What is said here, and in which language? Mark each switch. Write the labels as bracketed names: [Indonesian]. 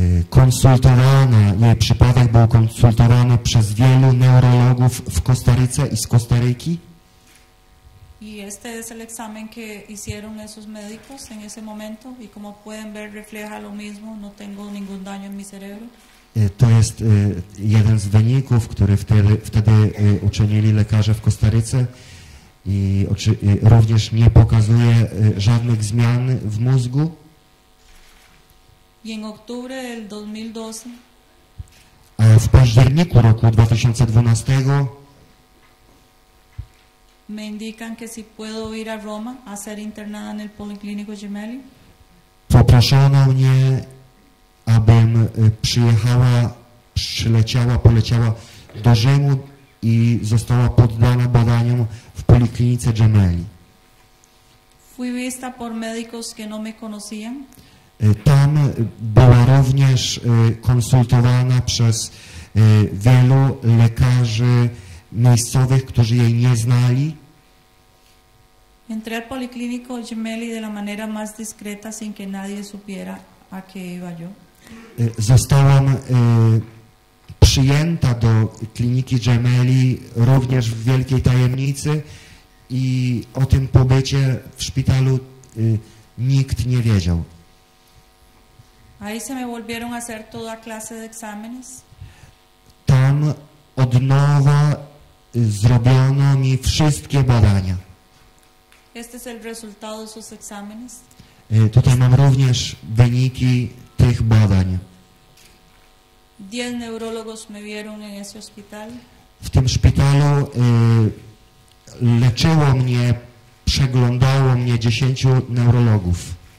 [Polish] Konsultowana, jej przypadek był konsultowany przez wielu neurologów w Kostaryce i z Kostaryki. [Spanish] I este es el examen que hicieron esos médicos en ese momento y como pueden ver refleja lo mismo, no tengo ningún daño en mi cerebro. [Polish] To jest jeden z wyników, który wtedy uczynili lekarze w Kostaryce i również nie pokazuje żadnych zmian w mózgu. [Spanish] Y en octubre del 2012. [Polish] A w październiku roku 2012. [Spanish] Me indican que si puedo ir a Roma a ser internada en el Policlínico Gemelli. [Polish] Poproszono mnie, abym przyjechała, poleciała do Rzymu i została poddana badaniom w Policlinice Gemelli. [Spanish] Fui vista por médicos que no me conocían. [Polish] Tam była również konsultowana przez wielu lekarzy miejscowych, którzy jej nie znali. [Spanish] Entré al Policlínico Gemelli de la manera más discreta, sin que nadie supiera a qué iba yo. [Polish] Zostałam przyjęta do kliniki Gemelli również w wielkiej tajemnicy i o tym pobycie w szpitalu nikt nie wiedział. [Spanish] Ahí se me volvieron a hacer toda clase de exámenes. [Polish] Tam od nowa zrobiono mi wszystkie badania. [Spanish] Este es el resultado de sus exámenes. [Polish] Tutaj mam również wyniki tych badań. [Spanish] 10 neurologos me vieron en ese hospital. [Polish] W tym szpitalu leczyło mnie, przeglądało mnie 10 neurologów.